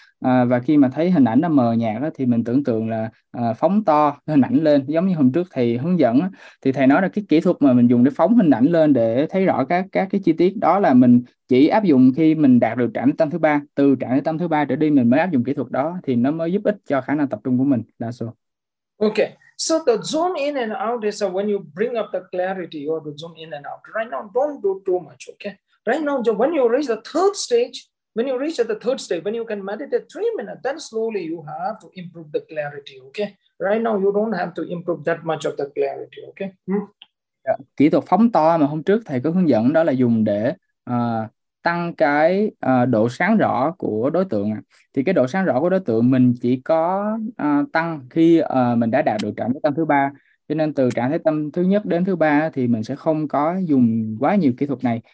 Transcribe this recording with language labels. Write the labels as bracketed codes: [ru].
[vi] Và khi mà thấy hình ảnh nó mờ nhạt đó, thì mình tưởng tượng là phóng to hình ảnh lên, giống như hôm trước thầy hướng dẫn đó, thì thầy nói là cái kỹ thuật mà mình dùng để phóng hình ảnh lên để thấy rõ các cái chi tiết đó là mình chỉ áp dụng khi mình đạt được trạng thái tâm thứ ba, từ trạng thái tâm thứ ba trở đi mình mới áp dụng kỹ thuật đó thì nó mới giúp ích cho khả năng tập trung của mình đa số. [en] Okay, so the zoom in and out is when you bring up the clarity or the zoom in and out. Right now, don't do too much. Okay, right now, so when you reach the third stage, when you reach at the third stage, when you can meditate 3 minutes, then slowly you have to improve the clarity. Okay, right now, you don't have to improve that much of the clarity. Okay. [vi] Kỹ thuật phóng to mà hôm trước thầy có hướng dẫn đó là dùng để tăng cái độ sáng rõ của đối tượng. Thì cái độ sáng rõ của đối tượng mình chỉ có tăng khi mình đã đạt được trạng thái tâm thứ ba. Cho nên từ trạng thái tâm thứ nhất đến thứ ba thì mình sẽ không có dùng quá nhiều kỹ thuật này.